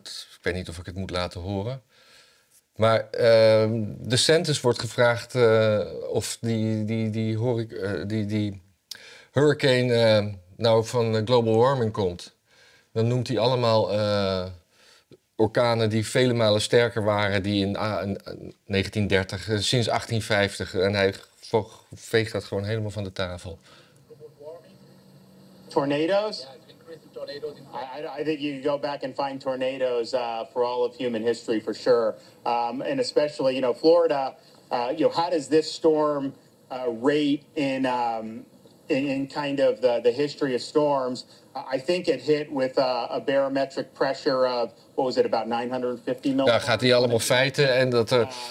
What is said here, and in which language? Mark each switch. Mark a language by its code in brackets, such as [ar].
[nl] Ik weet niet of ik het moet laten horen. Maar DeSantis wordt gevraagd of die hurricane nou van global warming komt. Dan noemt hij allemaal orkanen die vele malen sterker waren die in 1930, sinds 1850. En hij veegt dat gewoon helemaal van de tafel. [en] Tornadoes? I think you could go back and find tornadoes for all of human history for sure. And especially, you know, Florida, how does this storm rate in kind of the history of storms? I think it hit with a barometric pressure of, what was it, about 950 [nl] mil? Nou, gaat hij allemaal feiten en dat er...